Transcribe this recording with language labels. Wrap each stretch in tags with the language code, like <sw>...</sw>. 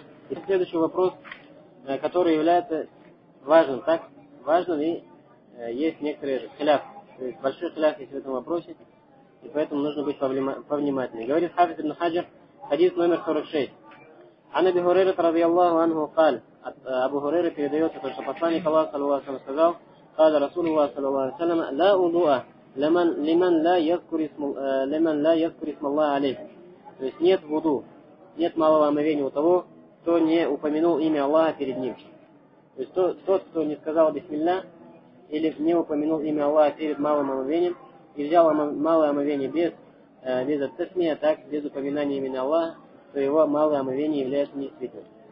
<ru>И следующий вопрос, который является важным, так? Важным и есть некоторые халяф. То есть большой халяф есть в этом вопросе, и поэтому нужно быть повнимательнее. Говорит Хафиз ибн Хаджар, хадис номер 46.</ru> <ar>«Ан Аби Хурейрата радиаллаху анху каль».</ar> <ru>От Абу Хурейры передается то, что посланник Аллаха, саллаллаху алейхи ва саллям, сказал,</ru> <ar>قال رسول الله صلى الله عليه وسلم لا وضوء لمن لا يذكر اسم لمن لا يذكر اسم الله عليه.</ar> <ru>То есть нет вуду, нет малого омовения у того, кто не упомянул имя Аллаха перед ним. То есть тот, кто не сказал бисмилля или не упомянул имя Аллаха перед малым омовением и взял малое омовение без ат-тасмия, так, без упоминания имени Аллаха, то его малое омовение является недействительным.</ru>